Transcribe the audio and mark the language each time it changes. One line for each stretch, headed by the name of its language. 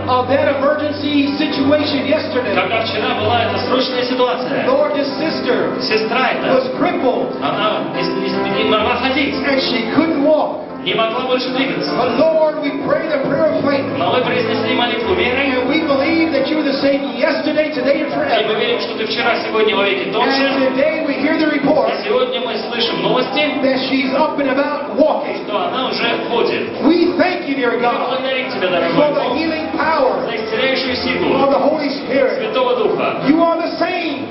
English: Of that emergency situation yesterday.
Russian: Когда вчера была эта срочная ситуация.
English: Lord, this sister.
Russian: Сестра эта.
English: Was crippled.
Russian: Она не могла ходить.
English: And she couldn't walk.
Russian: Не могла больше двигаться.
English: Lord, we pray the prayer of faith.
Russian: Но мы произнесли молитву веры.
English: And we believe that you are the same yesterday, today, and forever.
Russian: И мы верим, что ты вчера, сегодня, вовеки тот же.
English: And today we hear the report.
Russian: И сегодня мы слышим новости.
English: That she's up and about walking.
Russian: Что она уже ходит.
English: We thank you, dear God.
Russian: Мы благодарим тебя, дорогой Бог.
English: For the healing power.
Russian: За исцеляющую силу.
English: Of the Holy Spirit.
Russian: Святого Духа.
English: You are the same.